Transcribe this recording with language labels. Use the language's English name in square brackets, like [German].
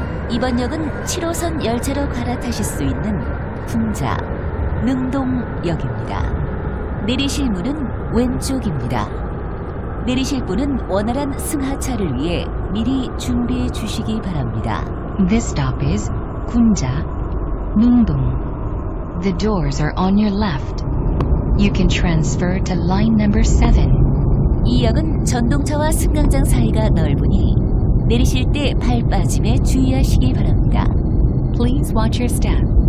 [Korean] 이번 역은 7호선 열차로 갈아타실 수 있는 풍자, 능동역입니다. 내리실 문은 왼쪽입니다. 내리실 분은 원활한 승하차를 위해 미리 준비해 주시기 바랍니다. [English] This stop is 풍자, 능동. The doors are on your left. You can transfer to line number 7. [Korean] 이 역은 전동차와 승강장 사이가 넓으니 내리실 때 발 빠짐에 주의하시기 바랍니다. [English] Please watch your step.